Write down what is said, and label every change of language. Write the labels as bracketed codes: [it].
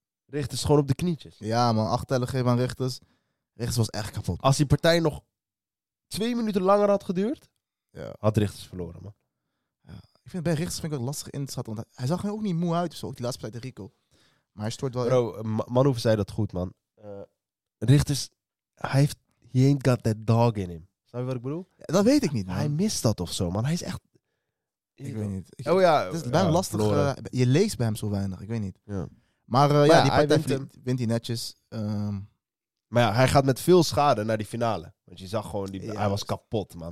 [nl] Richters gewoon op de knietjes. Ja, man, 8 tellen geven aan Richters. Richters was echt kapot. Als die partij nog... 2 minuten langer had geduurd, ja, had Richters verloren, man. Ja. Ik vind, bij Richters vind ik het lastig in te schatten, want hij zag er ook niet moe uit of zo, ook die laatste partij tegen Rico. Maar hij stoort wel... Bro, Manhoeven zei dat goed, man. [en] Richters, he ain't got that dog in him. [nl] Snap je wat ik bedoel? Ja, dat weet ik niet, man. Hij mist dat of zo, man. Hij is echt... Ik weet niet. Oh ja. Het is bij hem lastig. Je leest bij hem zo weinig, ik weet niet. Ja. Maar ja, die partij wint hij netjes. Maar ja, hij gaat met veel schade naar die finale. Want je zag gewoon, hij was kapot, man.